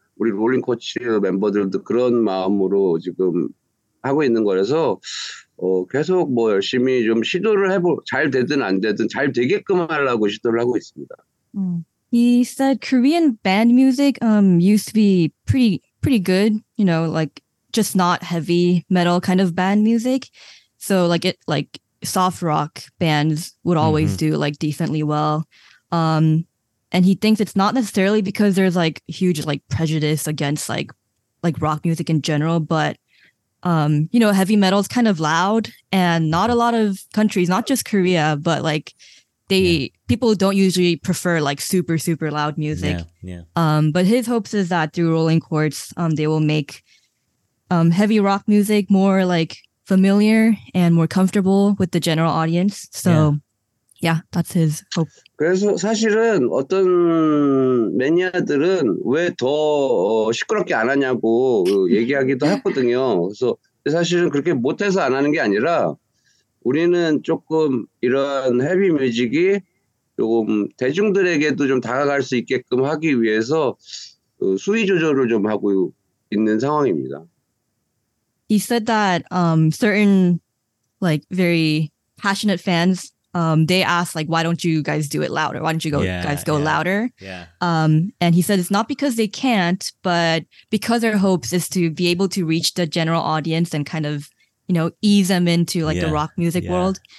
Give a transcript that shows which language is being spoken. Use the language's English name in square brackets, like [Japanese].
[Korean] 우리 롤링 코치 멤버들도 그런 마음으로 지금 하고 있는 거라서 계속 뭐 열심히 좀 시도를 해보 잘 되든 안 되든 잘 되게끔 하려고 시도를 하고 있습니다. [English] He said Korean band music used to be pretty good, you know, like just not heavy metal kind of band music. So like it like soft rock bands would always mm-hmm. do like decently well. And he thinks it's not necessarily because there's like huge like prejudice against like rock music in general, but you know, heavy metal is kind of loud, and not a lot of countries, not just Korea, but like people don't usually prefer like super, super loud music. Yeah. But his hopes is that through Rolling Quartz, they will make heavy rock music more like familiar and more comfortable with the general audience. So yeah, that's his hope. [Korean] 그래서 사실은 어떤 매니아들은 왜 더 시끄럽게 안 하냐고 얘기하기도 했거든요. 그래서 사실은 그렇게 못해서 안 하는 게 아니라 우리는 조금 이런 헤비 뮤직이 조금 대중들에게도 좀 다가갈 수 있게끔 하기 위해서 수위 조절을 좀 하고 있는 상황입니다. [English] He said that certain like very passionate fans they asked like, why don't you guys do it louder? Why don't you guys go louder? Yeah. And he said it's not because they can't, but because our hopes is to be able to reach the general audience and kind of, you know, ease them into like the rock music world.